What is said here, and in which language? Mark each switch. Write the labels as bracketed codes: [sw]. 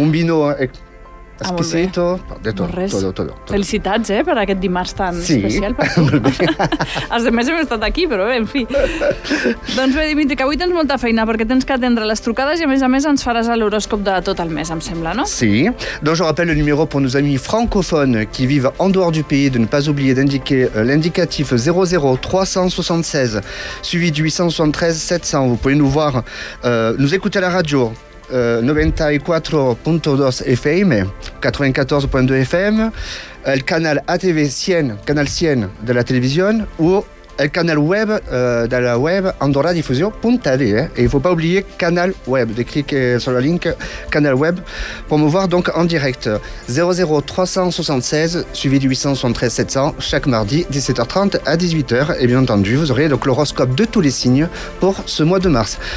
[es] Un vino... Esquisito, de tot, todo. [ca] Felicitats, per aquest dimarts tan sí. especial. Sí, molt bé. Els hem estat aquí, però bé, en fi. Doncs bé, Dimitri, que avui tens molta feina, perquè tens que atendre les trucades i, a més, ens faràs l'horòscop de tot el mes, em sembla, no? Sí. [fr] Doncs, je rappelle le numéro pour nos amis francophones qui vivent en dehors du pays de ne pas oublier d'indiquer l'indicatif 00376 suivi du 873-700. Vous pouvez nous voir, nous écouter à la radio. [es] 94.2 FM, 94.2 FM, el canal ATV 100, canal 100 de la televisión, o el canal web de la web andorradifusión.tv. [fr] Et il ne faut pas oublier canal web, de cliquer sur le link canal web pour me voir donc en direct. 00376 suivi du 873-700 chaque mardi, 17h30 à 18h. Et bien entendu, vous aurez donc l'horoscope de tous les signes pour ce mois de mars.